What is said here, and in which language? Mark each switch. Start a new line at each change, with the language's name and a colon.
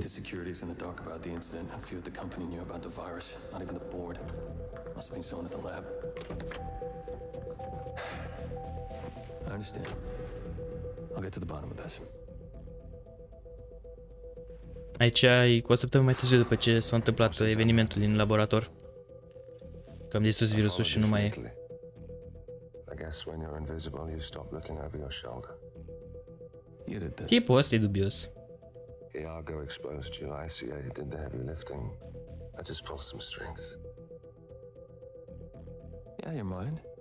English: The security is in the dark about the incident. I feared the company knew about the virus, not even the board. Must have been someone at the lab. I understand. I'll get to the bottom of this.
Romanian: Aici ai cu o săptămână mai târziu după ce s-a întâmplat evenimentul din laborator. Cam distrus virusul și nu mai e.
English: I guess when you're invisible, you stop looking over your shoulder.
Romanian: Tipul ăsta e dubios.
English: Iago exposed you. I see I did the heavy lifting. I just pulled some strings. Yeah, you mind?